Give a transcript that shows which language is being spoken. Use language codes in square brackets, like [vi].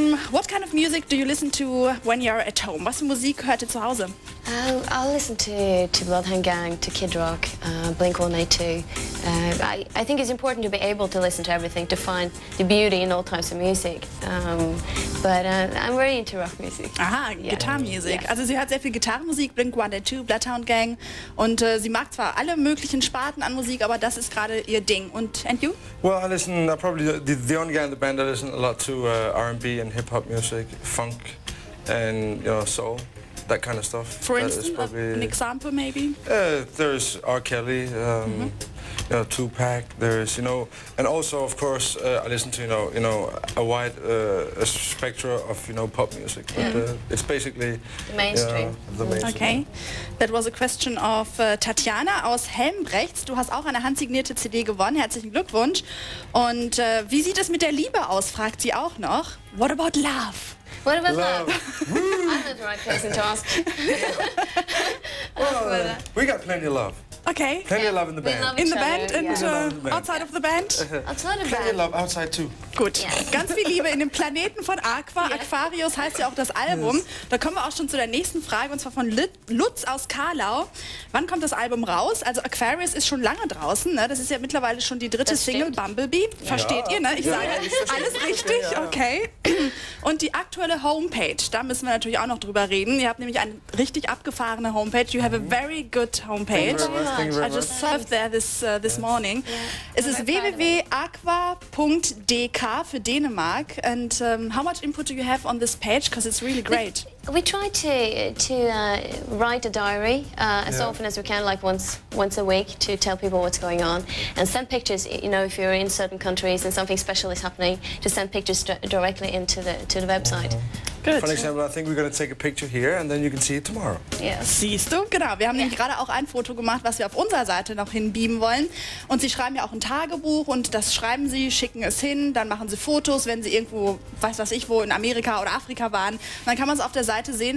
[en] What kind of music do you listen to when you're at home? [de] Was für Musik hört ihr zu Hause? [en] I'll listen to Bloodhound Gang, to Kid Rock, Blink-182. I think it's important to be able to listen to everything, to find the beauty in all types of music. I'm very into rock music. [de] Aha, Gitarrenmusik. Yeah. Also sie hört sehr viel Gitarrenmusik, Blink-182, Bloodhound Gang. Und sie mag zwar alle möglichen Sparten an Musik, aber das ist gerade ihr Ding. [en] And you? Well, I listen, I'm probably the only guy in the band that listen a lot to R&B and hip-hop music, funk and, you know, soul. That kind of stuff. For instance, probably, an example, maybe. There's R. Kelly, you know, Tupac. There's, you know, and also, of course, I listen to, you know, a wide spectrum of, you know, pop music. But it's basically mainstream. You know, the mainstream. Okay, that was a question of Tatjana aus Helmbrechts. [de] Du hast auch eine handsignierte CD gewonnen. Herzlichen Glückwunsch! Und wie sieht es mit der Liebe aus? Fragt sie auch noch. [en] What about love? What about love? I'm not the right person to ask. Well, we got plenty of love. Okay. Plenty of love in the band. In the band and outside of the band? Outside of the band. Plenty of love outside too. [de] Gut. Yeah. Ganz viel Liebe in dem Planeten von Aqua. Yeah. Aquarius heißt ja auch das Album. Yes. Da kommen wir auch schon zu der nächsten Frage, und zwar von Lutz aus Karlau. Wann kommt das Album raus? Also Aquarius ist schon lange draußen. Ne? Das ist ja mittlerweile schon die dritte Single, Bumblebee. Ja. Versteht ihr, ne? Ich sage alles richtig. Okay. Und die aktuelle Homepage, da müssen wir natürlich auch noch drüber reden. Ihr habt nämlich eine richtig abgefahrene Homepage. [en] You have a very good homepage. Thank you very much. I just surfed there this morning. Yeah. [de] Es ist www.aqua.dk für Dänemark. [en] And how much input do you have on this page? Because it's really great. We try to write a diary as often as we can, like once a week, to tell people what's going on and send pictures. You know, if you're in certain countries and something special is happening, to send pictures directly into the website. Good. For example, I think we're going to take a picture here and then you can see it tomorrow. Yes. [de] Siehst du? Genau. Wir haben nämlich gerade auch ein Foto gemacht, was wir auf unserer Seite noch hinbeamen wollen. Und sie schreiben ja auch ein Tagebuch und das schreiben sie, schicken es hin, dann machen sie Fotos, wenn sie irgendwo, weiß was ich, wo in Amerika oder Afrika waren. Und dann kann man es auf der Seite sehen.